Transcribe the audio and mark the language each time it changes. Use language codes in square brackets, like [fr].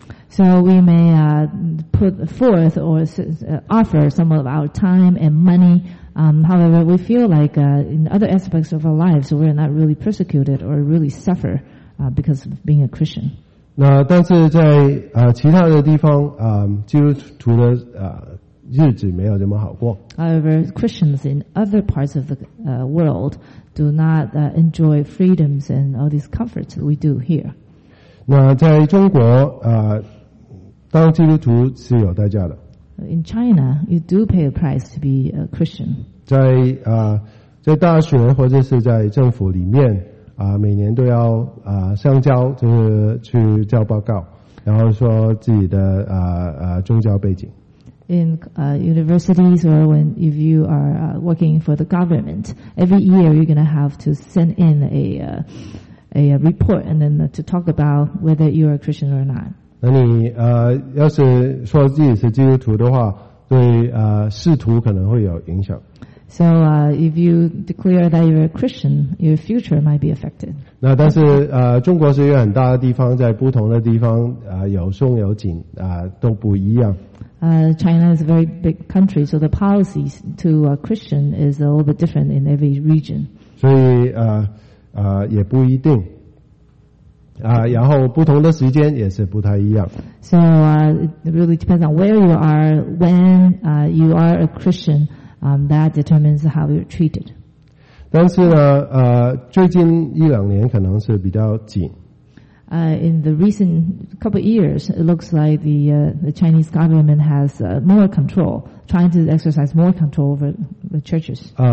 [en] So we may put forth or offer some of our time and money. However, we feel like in other aspects of our lives, we're not really persecuted or really suffer because of being a Christian. [zh] 那但是在其他的地方，基督徒的日子没有这么好过。 [en] However, Christians in other parts of the world do not enjoy freedoms and all these comforts we do here. [zh] 那在中国，当基督徒是有代价的。 [en] In China, you do pay a price to be a Christian. [zh] 在大学或者是在政府里面每年都要上交，就是去交报告，然后说自己的宗教背景。 [en] In universities or when if you are working for the government, every year you're going to have to send in a report and then to talk about whether you are a Christian or not. [zh] 那你要是说自己是基督徒的话，对仕途可能会有影响。 [en] So if you declare that you're a Christian, your future might be affected. [zh] 那但是中国是一个很大的地方，在不同的地方有松有紧都不一样。 [en] China is a very big country, so the policies to a Christian is a little bit different in every region. [zh] 所以也不一定。然后不同的时间也是不太一样。 [en] So it really depends on where you are, when you are a Christian, that determines how you're treated. [zh] 但是呢，最近一两年可能是比较紧。 [en] In the recent couple of years, it looks like the Chinese government has more control, trying to exercise more control over the churches.